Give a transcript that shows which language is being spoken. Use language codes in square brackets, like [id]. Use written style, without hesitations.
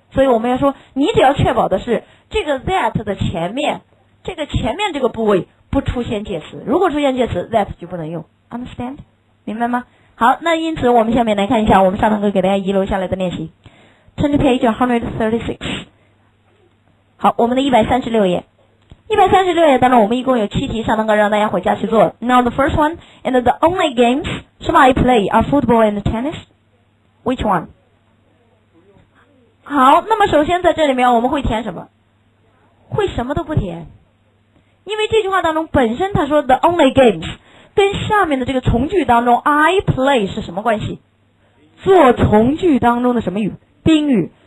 [zh] 所以我们要说你只要确保的是这个 that 的前面，这个前面这个部位不出现介词，如果出现介词 that 就不能用。 [en] Understand？ [zh] 明白吗？好，那因此我们下面来看一下我们上堂课给大家遗留下来的练习。 [en] Turn to page 136。 [zh] 好，我们的136页，136页当中我们一共有七题，上堂课让大家回家去做。 [en] Now the first one and the only games some I play are football and tennis， which one？ [zh] 好，那么首先在这里面我们会填什么？会什么都不填，因为这句话当中本身他说 [en] the only games [zh] 跟下面的这个从句当中 [en] I play [zh] 是什么关系？做从句当中的什么语？宾语。